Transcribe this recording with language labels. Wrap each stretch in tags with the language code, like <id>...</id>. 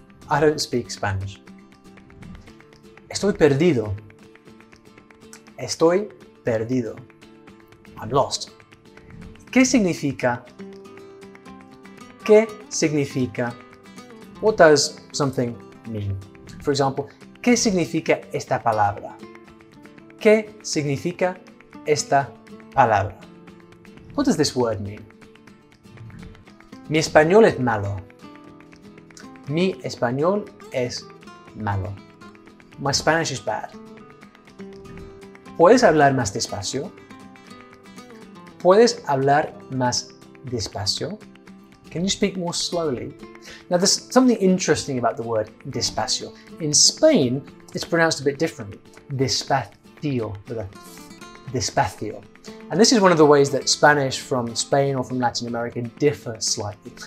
<en>I don't speak Spanish.</en> <es>Estoy perdido. Estoy perdido.</es> <en>I'm lost.</en> <es>¿Qué significa? ¿Qué significa?</es> <en>What does something mean? For example,</en> <es>¿qué significa esta palabra? ¿Qué significa esta palabra?</es> <en>What does this word mean?</en> <es>Mi español es malo. Mi español es malo.</es> <en>My Spanish is bad.</en> <es>¿Puedes hablar más despacio? ¿Puedes hablar más despacio?</es> <en>Can you speak more slowly? Now, there's something interesting about the word despacio. In Spain, it's pronounced a bit differently.</en> <es>Despacio. Despacio.</es> <en>And this is one of the ways that Spanish from Spain or from Latin America differ slightly.</en>